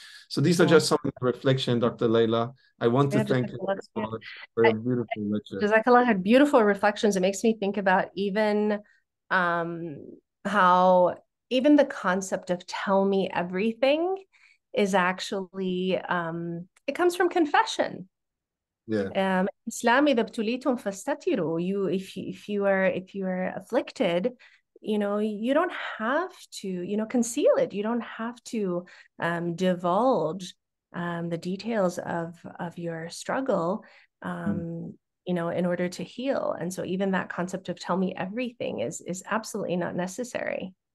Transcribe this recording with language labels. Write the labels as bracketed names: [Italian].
[English] So these are just some reflection, Dr. Layla. I want to thank you for a beautiful lecture. Jazakallah, had beautiful reflections. It makes me think about even how even the concept of tell me everything is actually, it comes from confession. [Arabic] Islam, إذا ابتليتم فاستتروا. [English] If you are afflicted, you know, you don't have to, you know, conceal it. You don't have to divulge the details of your struggle, you know, in order to heal. And so even that concept of tell me everything is absolutely not necessary.